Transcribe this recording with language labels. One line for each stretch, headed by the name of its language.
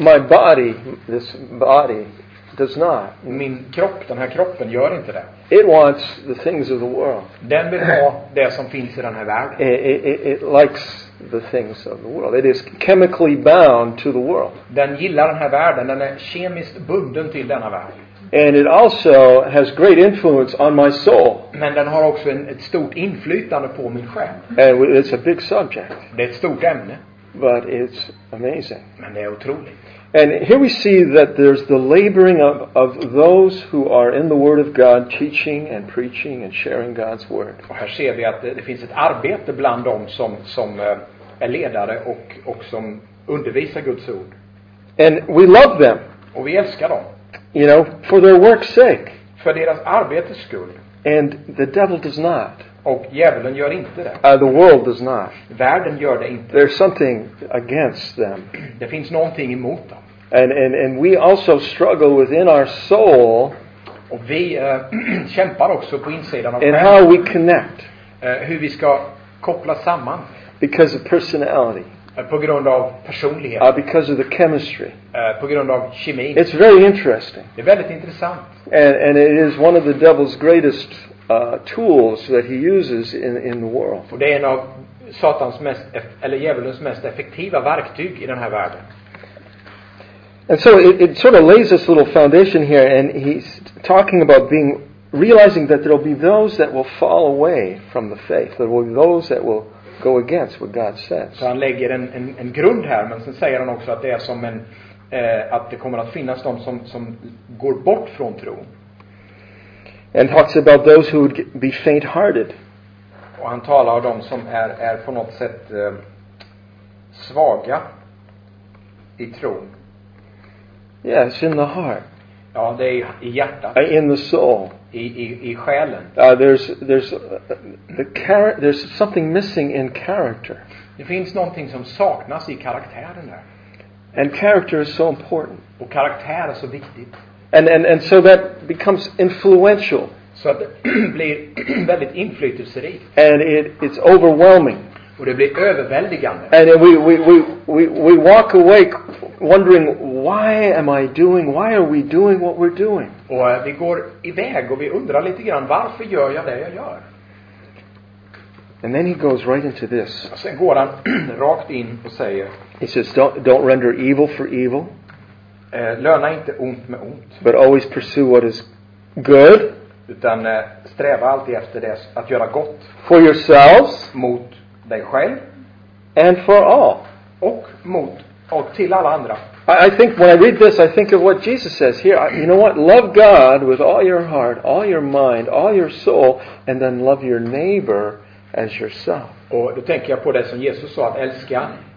English: My body, this body, does not.
Swedish: Min kropp, den här kroppen, gör inte det.
English: It wants the things of the world.
Swedish: Den vill ha det som finns i den här världen.
English: It likes the things of the world. It is chemically bound to the world.
Swedish: Den gillar den här världen, den är kemiskt bunden till denna värld.
English: And it also has great influence on my soul.
Swedish: Men den har också ett stort inflytande på min själ.
English: And it's a big subject.
Swedish: Det är ett stort ämne.
English: But it's amazing.
Swedish: Men det är otroligt.
English: And here we see that there's the laboring of those who are in the Word of God, teaching and preaching and sharing God's Word.
Swedish: Och här ser vi att det finns ett arbete bland dem som är ledare och som undervisar Guds ord.
English: And we love them.
Swedish: Och vi älskar dem.
English: You know, for their work's sake.
Swedish: För deras arbetes skull.
English: And the devil does not.
Swedish: Och djävulen gör inte det.
English: The world does not.
Swedish: Världen gör det inte.
English: There's something against them.
Swedish: Det finns någonting emot dem.
English: And we also struggle within our soul.
Swedish: Och vi kämpar också på insidan av själen.
English: How we connect.
Swedish: Hur vi ska koppla samman.
English: Because of personality.
Swedish: På grund av personlighet.
English: Because of the chemistry.
Swedish: På grund av kemi.
English: It's very interesting.
Swedish: Det är väldigt intressant.
English: And it is one of the devil's greatest tools that he uses in the world.
Swedish: Och det är en av Satans mest eller djävulens mest effektiva verktyg i den här världen.
English: And so it sort of lays this little foundation here, and he's talking about being realizing that there'll be those that will fall away from the faith. There will be those that will go against what God says.
Swedish: Så han lägger en grund här, men sen säger han också att det är som en att det kommer att finnas de som går bort från tro.
English: And talks about those who would be faint-hearted.
Swedish: Och han talar om de som är på något sätt svaga i tron.
English: Yes, in the heart.
Swedish: Ja, det är i hjärtat.
English: In the soul.
Swedish: I själen.
English: There's something missing in character.
Swedish: Det finns någonting som saknas i karaktären där.
English: And character is so important.
Swedish: Och karaktär är så viktigt.
English: And so that becomes influential.
Swedish: Så att det blir väldigt inflytelserikt.
English: And it's overwhelming.
Swedish: Och det blir överväldigande.
English: And we walk away wondering, why am I doing? Why are we doing what we're doing?
Swedish: Och vi går iväg och vi undrar lite grann, varför gör jag det jag gör?
English: And then he goes right into this.
Swedish: Och sen går han rakt in och säger.
English: He says, don't render evil for evil.
Swedish: Löna inte ont med ont.
English: But always pursue what is good.
Swedish: Utan sträva alltid efter det att göra gott.
English: For yourselves.
Swedish: Mot dig själv.
English: And for all.
Swedish: Och mot och till alla andra.
English: I think when I read this, I think of what Jesus says here. You know what? Love God with all your heart, all your mind, all your soul, and then love your neighbor as yourself.
Swedish: Och då tänker jag på det som Jesus sa att älska.